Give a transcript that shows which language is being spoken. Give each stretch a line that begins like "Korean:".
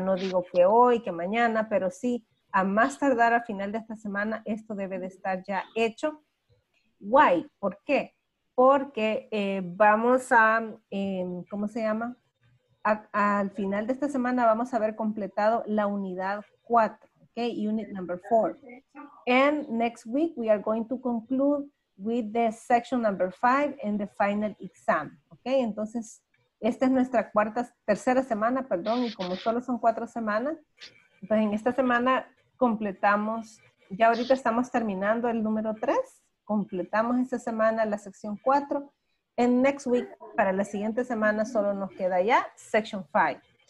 Spanish: No digo que hoy, que mañana, pero sí, a más tardar a final de esta semana, esto debe de estar ya hecho.
English: Why?
Spanish: ¿Por qué? Porque vamos a, ¿cómo se llama? Al final de esta semana vamos a haber completado la unidad 4, ¿ok?
English: Unit number 4. And next week we are going to conclude with the section number 5 and the final exam, ¿ok?
Spanish: Entonces, esta es nuestra tercera semana, perdón, y como solo son 4 semanas, entonces en esta semana completamos, ya ahorita estamos terminando el número 3, completamos esta semana la sección 4, en
English: next week,
Spanish: para la siguiente semana solo nos queda ya section 5.